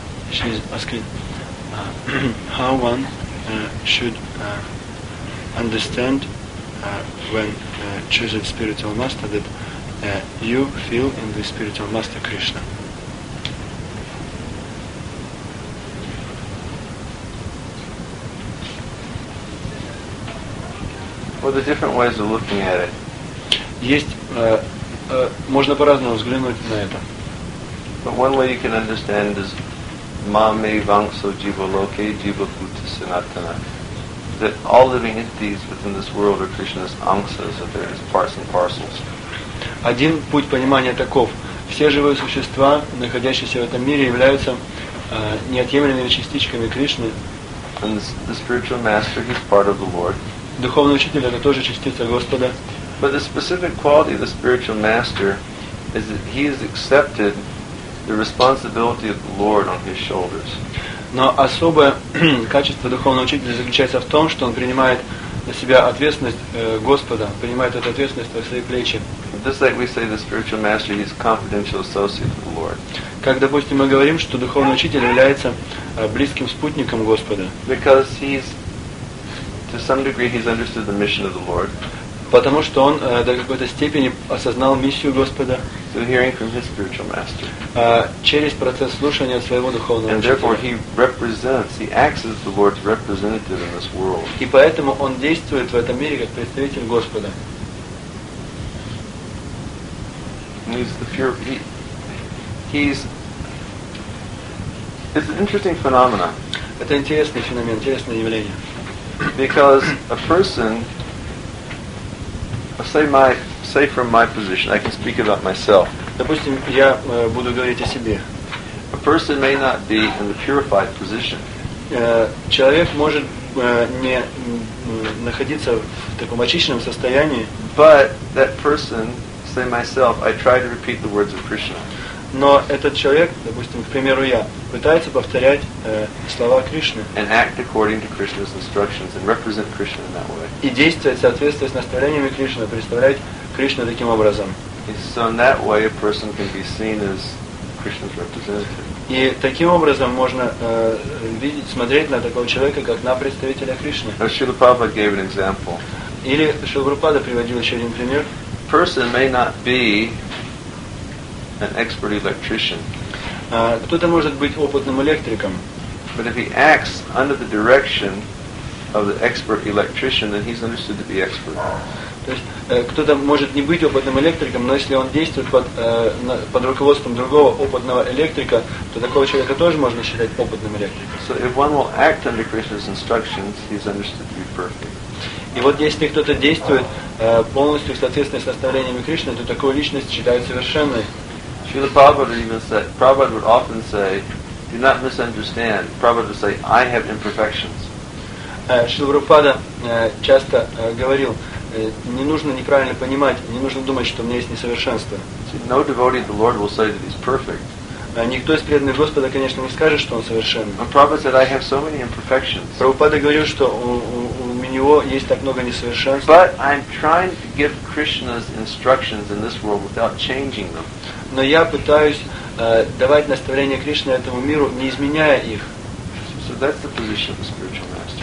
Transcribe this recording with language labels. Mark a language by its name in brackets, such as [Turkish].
[English] She is asking how one should understand when choosing spiritual master that you feel in the spiritual master Krishna. Well, the different ways of looking at it. [Russian] Есть можно по-разному взглянуть на это. [English] But one way you can understand is [Sanskrit] Mame Vangso Jiva Loke Jiva Bhuta Sanatana. [English] That all living entities within this world are Krishna's angsas, that they're his parts and parcels. [Russian] Один путь понимания таков. Все живые существа, находящиеся в этом мире, являются неотъемлемыми частичками Кришны. [English] And the spiritual master, he's part of the Lord. [Russian] Духовный учитель это тоже частица Господа. [English] But the specific quality of the spiritual master is that he is accepted the responsibility of the Lord on his shoulders. [Russian] Но особое качество духовного учителя заключается в том, что он принимает на себя ответственность Господа, принимает эту ответственность на свои плечи. [English] Just like we say the spiritual master is confidential associate of the Lord. [Russian] Как, допустим, мы говорим, что духовный учитель является близким спутником Господа. [English] Because he's to some degree he's understood the mission of the Lord. [Russian] Потому что он до какой-то степени осознал миссию Господа. [English] So hearing from his spiritual master. [Russian] Через процесс слушания своего духовного учителя. [English] And therefore he represents, he acts as the Lord's representative in this world. [Russian] И поэтому он действует в этом мире как представитель Господа. [English] He's the pure, he's, it's an interesting phenomenon. [Russian] Это интересный феномен, интересное явление. [English] Because a person, say from my position, I can speak about myself. [Russian] Допустим, я буду говорить о себе. [English] A person may not be in the purified position. [Russian] Человек может не находиться в таком очищенном состоянии. [English] But that person, say myself, I try to repeat the words of Krishna. [Russian] Но этот человек, допустим, к примеру, я, пытается повторять слова Кришны. [English] And act according to Krishna's instructions and represent Krishna in that way. [Russian] И действовать в соответствии с наставлениями Кришны, представлять Кришну таким образом. [English] So in that way a person can be seen as Krishna's representative. [Russian] И таким образом можно видеть, смотреть на такого человека, как на представителя Кришны. [English] Or Srila Prabhupada gave an example. [Russian] Или Шрила Прабхупада приводил еще один пример. [English] Person may not be an expert electrician. [Russian] Кто-то может быть опытным электриком. [English] But if he acts under the direction of the expert electrician, then he's understood to be expert. [Russian] То есть кто-то может не быть опытным электриком, но если он действует под руководством другого опытного электрика, то такого человека тоже можно считать опытным электриком. [English] So if one will act under Krishna's instructions, he's understood to be perfect. [Russian] И вот если кто-то действует полностью в соответствии с наставлениями Кришны, то такую личность считают совершенной. [English] Srila Prabhupada even said, Prabhupada would often say, do not misunderstand. Prabhupada would say, I have imperfections. [Russian] Srila Prabhupada часто говорил, не нужно неправильно понимать, не нужно думать, что у меня есть несовершенство. [English] No devotee of the Lord will say that he's perfect. [Russian] Никто из преданных Господа, конечно, не скажет, что он совершенный. [English] Prabhupada said, I have so many imperfections. [Russian] Прабхупада говорил, что у него есть так много несовершенств. [English] But I'm trying to give Krishna's instructions in this world without changing them. [Russian] Но я пытаюсь давать наставления Кришны этому миру, не изменяя их. [English] So that's the position of the spiritual master.